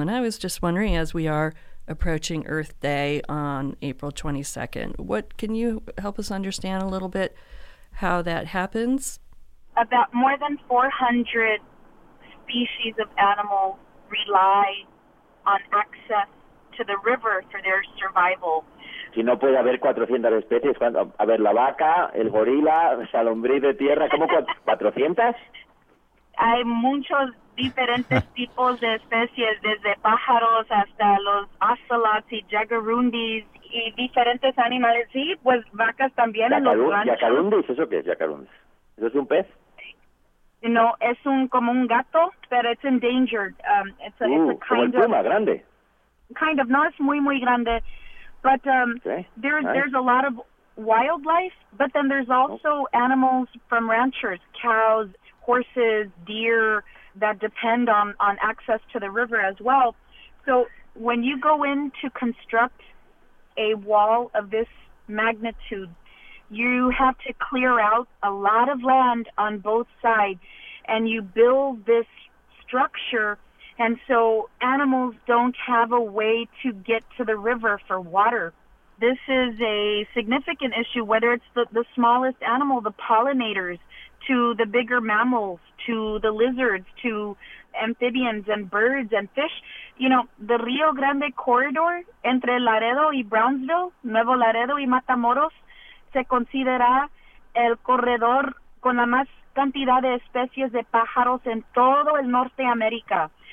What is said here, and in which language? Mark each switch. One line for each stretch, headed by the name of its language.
English: And I was just wondering, as we are approaching Earth Day on April 22nd, what can you help us understand a little bit how that happens? About more than 400 species of animals rely on access to the river for their survival.
Spanish: Si no puede haber 400 especies, a ver, la vaca, el gorila, la lombriz de tierra, ¿cómo 400? Hay muchos diferentes tipos de especies, desde pájaros hasta los ocelots y jaguarundis y diferentes animales. Sí, pues vacas también. ¿Jaguarundis? ¿Eso qué es jaguarundis? ¿Eso es un pez? No, es un como un gato, pero es endangered.
English: It's a, it's a kind
Spanish: como el puma,
English: of,
Spanish: grande.
English: Kind of,
Spanish: no, es muy, muy grande.
English: But okay. There's a lot of wildlife, but then there's also animals from ranchers, cows, horses, deer, that depend on access to the river as well. So when you go in to construct a wall of this magnitude, you have to clear out a lot of land on both sides, and you build this structure, and so animals don't have a way to get to the river for water. This is a significant issue, whether it's the smallest animal, the pollinators, to the bigger mammals, to the lizards, to amphibians and birds and fish. You know, the Rio Grande corridor
Spanish: entre Laredo y Brownsville, Nuevo Laredo y Matamoros, se considera el corredor con la más cantidad de especies de pájaros en todo el Norte América.